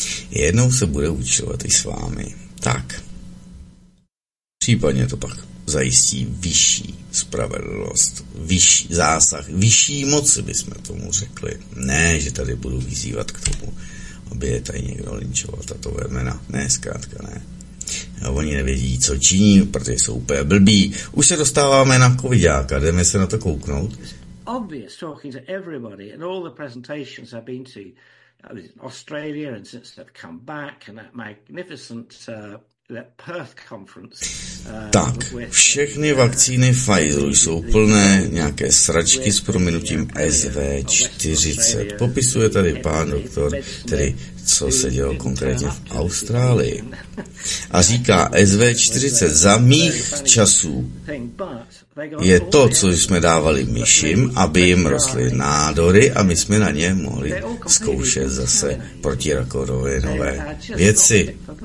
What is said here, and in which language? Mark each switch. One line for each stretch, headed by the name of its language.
Czech: Jednou se bude účtovat i s vámi. Tak. Případně to pak zajistí vyšší spravedlnost, vyšší zásah, vyšší moci, bychom tomu řekli. Ne, že tady budu vyzývat k tomu, aby je tady někdo linčoval, tato vemena. Ne, zkrátka ne. A oni nevědí, co činí, protože jsou úplně blbí. Už se dostáváme na covidáka, jdeme se na to kouknout.
English: Obvious talking to everybody and all the presentations I've been to in Australia and since they've come back and that magnificent Perth conference.
Czech: Tak, všechny vakcíny Pfizeru jsou plné nějaké sračky s prominutím SV40. Popisuje tady pán doktor, tedy co se dělo konkrétně v Austrálii. A říká, SV40 za mých časů je to, co jsme dávali myšim, aby jim rostly nádory a my jsme na ně mohli zkoušet zase protirakovinové nové věci.